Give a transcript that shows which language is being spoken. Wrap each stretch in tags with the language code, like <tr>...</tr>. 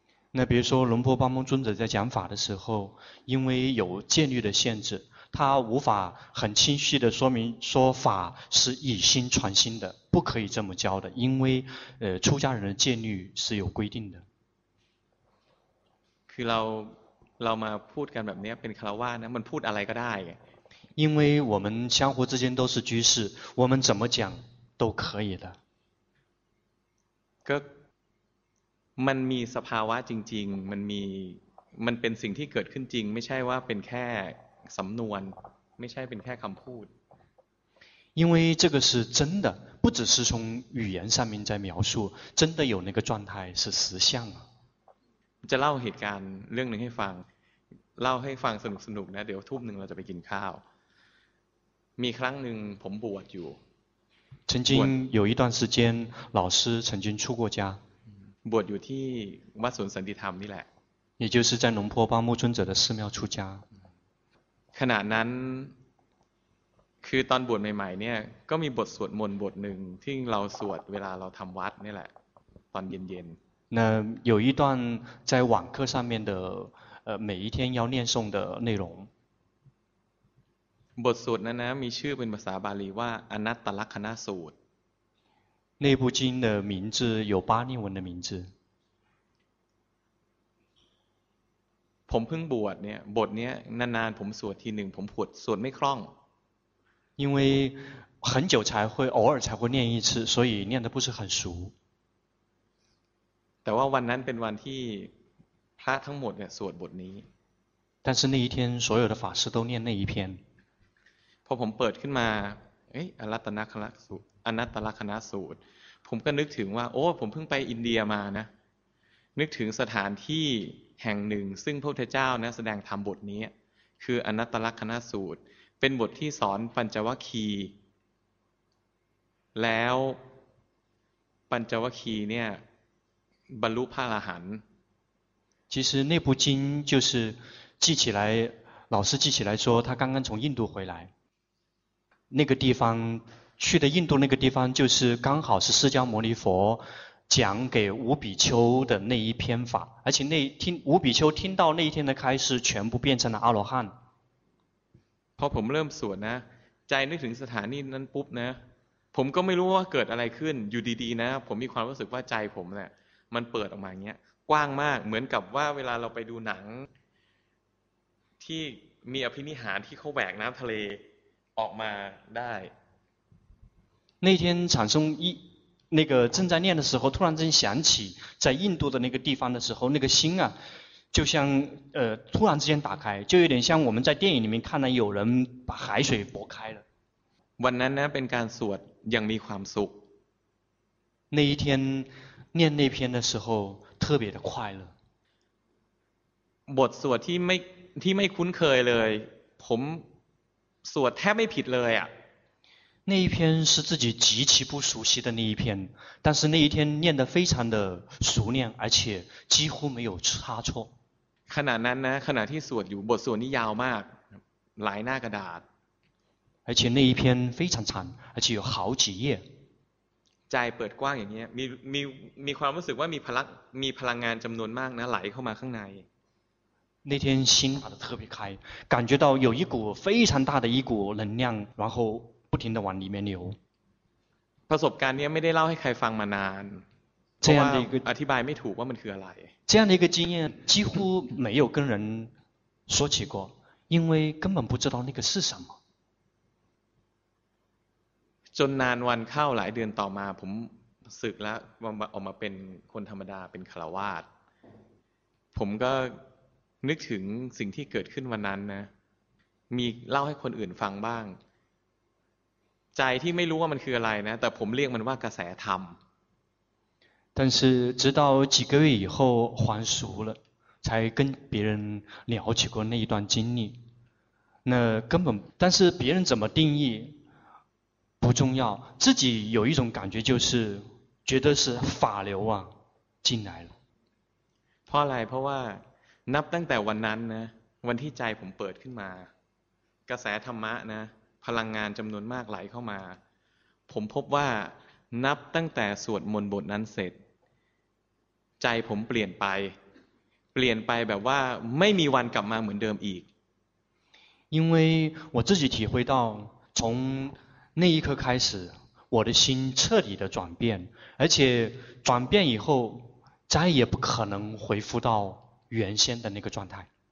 <zh>那比如说龙婆巴蒙尊者在讲法的时候因为有戒律的限制他无法很清晰的说明说法是以心传心的不可以这么教的因为出家人的戒律是有规定的</zh> <th>คือเรามาพูดกันแบบนี้เป็นคารวาสนะมันพูดอะไรก็ได้</th> <zh>因为我们相互之间都是居士我们怎么讲都可以的</zh> <th>ก็มันมีสภาวะจริงๆมันเป็นสิ่งที่เกิดขึ้นจริงไม่ใช่ว่าเป็นแค่สำนวนไม่ใช่เป็นแค่คำพูด</th> <zh>因为这个是真的不只是从语言上面在描述真的有那个状态是实相</zh> <th>จะเล่าเหตุการณ์เรื่องนึงให้ฟังเล่าให้ฟังสนุกๆ นะเดี๋ยวทุ่มนึงเราจะไปกินข้าวมีครั้งนึงผมบวชอยู่</th> <zh>曾经有一段时间老师曾经出过家</zh> <th>บวชอยู่ที่วัดสวนสันติธรรมนี่แหละ</th> <zh>也就是在龙坡巴木尊者的寺庙出家</zh> <th>ขณะนั้นคือตอนบวชใหม่ๆเนี่ยก็มีบทสวดมนต์บทหนึ่งที่เราสวดเวลาเราทำวัดนี่แหละตอนเย็น</th> <zh>ๆ那有一段在网课上面的每一天要念诵的内容</zh> <th>บทสวดนั้นนะมีชื่อเป็นภาษาบาลีว่าอนัตตลักขณสูตร</th> <zh>那部经的名字有巴利文的名字。</zh> <th>ผมเพิ่งบวชเนี่ยบทเนี้ยนานๆผมสวดทีหนึ่งผมสวดไม่คล่อง</th> <zh>因为很久才会偶尔才会念一次所以念的不是很熟</zh> <th>แต่ว่าวันนั้นเป็นวันที่พระทั้งหมดเนี่ยสวดบทนี้</th> <zh>但是那一天所有的法师都念那一篇</zh> <th>พอผมเปิดขึ้นมาเอ๊ะอรัตนคณะสูตรอนัตตลักขณสูตรผมก็นึกถึงว่าโอ้ผมเพิ่งไปอินเดียมานะนึกถึงสถานที่แห่งหนึ่งซึ่งพระพุทธเจ้านะแสดงธรรมบทนี้คืออนัตตลักขณสูตรเป็นบทที่สอนปัญจวัคคีย์แล้วปัญจวัคคีย์เนี่ยบรรลุพระอรหันต์</th> <zh>其实那部经就是记起来老师记起来说他刚刚从印度回来那个地方去的印度那个地方就是刚好是释迦牟尼佛讲给五比丘的那一篇法而且那听五比丘听到那一天的开示全部变成了阿罗汉</zh> <th>พอผมเริ่มสวดนะใจนึกถึงสถานีนั้นปุ๊บนะผมก็ไม่รู้ว่าเกิดอะไรขึ้นอยู่ดีๆนะผมมีความรู้สึกว่าใจผมเนี่ยมันเปิดออกมาอย่างเงี้ยกว้างมากเหมือนกับว่าเวลาเราไปดูหนังที่มีอภินิหารที่เขาแหวกน้ำทะเลออกมาได้</th> <zh>那天产生一那个正在念的时候突然间想起在印度的那个地方的时候那个心啊就像突然之间打开就有点像我们在电影里面看到有人把海水拨开了</zh> <th>วันนั้นนะเป็นการสวดยังมีความสุข</th> <zh>那一天念那篇的时候特别的快乐</zh> <th>บทสวดที่ไม่คุ้นเคยเลยผมสวดแทบไม่ผิดเลยอ่ะ</th> <zh>那一篇是自己极其不熟悉的那一篇但是那一天念得非常的熟练而且几乎没有差错</zh> <th>ขณะนั้นนะขณะที่สวดอยู่บทสวดนี้ยาวมากหลายหน้ากระดาษ</th> <zh>而且那一篇非常长而且有好几页</zh> <th>ใจเปิดกว้างอย่างนี้มีความรู้สึกว่ามีพลังงานจำนวนมากนะไหลเข้ามาข้างใน</th> <zh>那天心打得特别开感觉到有一股非常大的一股能量然后不停地往里面流</zh> <th>ประสบการณ์นี้ไม่ได้เล่าให้ใครฟังมานาน เพราะว่า อธิบายไม่ถูกว่ามันคืออะไร</th> <zh>这样的一个经验几乎没有跟人说起过因为根本不知道那个是什么</zh> <th>จนนานวันเข้าหลายเดือนต่อมาผมสึกแล้วออกมาเป็นคนธรรมดาเป็นคฤหัสถ์ ผมก็นึกถึงสิ่งที่เกิดขึ้นวันนั้นนะมีเล่าให้คนอื่นฟังบ้างใจที่ไม่รู้ว่ามันคืออะไรนะแต่ผมเรียกมันว่ากระแสธรรม</th> <zh>但是直到几个月以后还俗了才跟别人聊起过那一段经历那根本但是别人怎么定义不重要自己有一种感觉就是觉得是法流啊进来了</zh> <th>เพราะอะไรเพราะว่านับตั้งแต่วันนั้นนะวันที่ใจผมเปิดขึ้นมากระแสธรรมะนะพลังงานจำนวนมากไหลเข้ามาผมพบว่านับตั้งแต่สวดมนต์บทนั้นเสร็จใจผมเปลี่ยนไปเปลี่ยนไปแบบว่าไม่มีวันกลับมาเหมือนเดิมอีก</th> <zh>因为我自己体会到从那一刻开始我的心彻底的转变而且转变以后再也不可能恢复到原先的那个状态</zh>